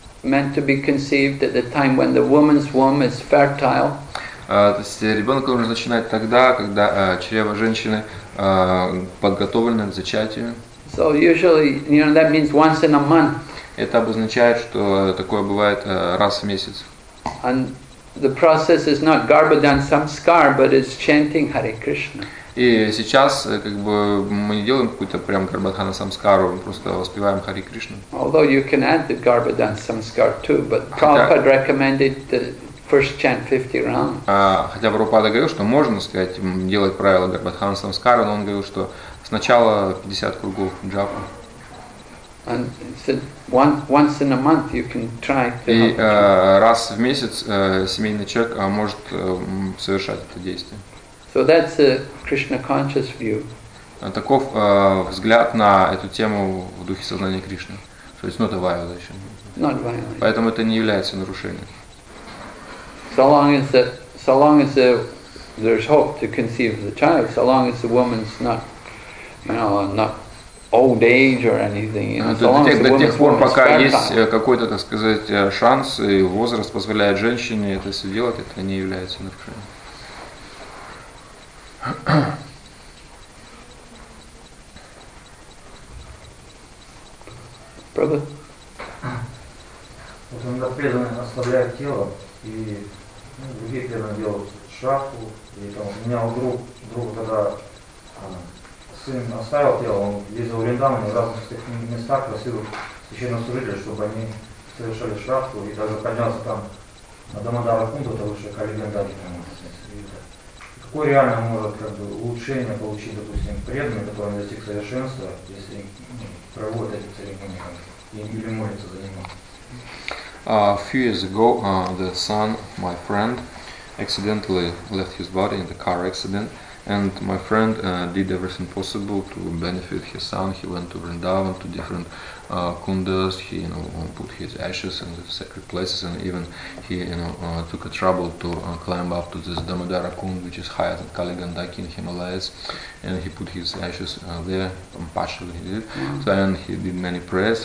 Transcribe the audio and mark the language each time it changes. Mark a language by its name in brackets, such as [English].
[English] meant to be conceived at the time when the woman's womb is fertile. [Russian] То есть ребенка нужно начинать тогда, когда чрево женщины подготовлено к зачатию. [English] So usually, you know, that means once in a month. [Russian] Это обозначает, что такое бывает раз в месяц. [English] And the process is not Garbhadhan Samskar, but it's chanting Hare Krishna. [Russian] И сейчас как бы мы не делаем какую-то прям Гарбхадана Самскару, мы просто воспеваем Хари Кришну. [English] Although you can add the Garbhadhan Samskar too, but Prabhupada recommended the first chant 50 rounds. [Russian] Хотя Прабхупада говорил, что можно, сказать, делать правила Гарбхадана Самскара, но он говорил, что сначала 50 кругов джапа. [English] And said once in a month you can try. [Russian] И раз в месяц семейный человек может совершать это действие. [English] So that's a Krishna conscious view. [Russian] Таков взгляд на эту тему в духе сознания Кришны. [English] So it's not a violation. Not violation. [Russian] Поэтому это не является нарушением. [English] So long as there's hope to conceive the child, so long as the woman's not, you know, not old age or anything. [Russian] До тех пор, пока есть какой-то, так сказать, шанс и возраст позволяет женщине это все делать, это не является нарушением. Правда? Вот иногда преданные ослабляют тело, и другие преданные делают шахту, и там у меня друг тогда сын оставил тело, он ездил в Риндаван, в разных местах просил священнослужителей, чтобы они совершали шахту, и даже поднялся там Адамадава Кунта, это лучше Калигандаджи, по-моему. Какое реально может как бы улучшение получить, допустим, преданный, который достиг совершенства, если проводит эти церемонии или молится за него? [English] A few years ago, the son, my friend, accidentally left his body in the car accident, and my friend did everything possible to benefit his son. He went to Vrindavan, to different kundas, he put his ashes in the sacred places, and even he took a trouble to climb up to this Damodara Kund, which is higher than Kali Gandaki in Himalayas, and he put his ashes there, partially he did, so, and he did many prayers.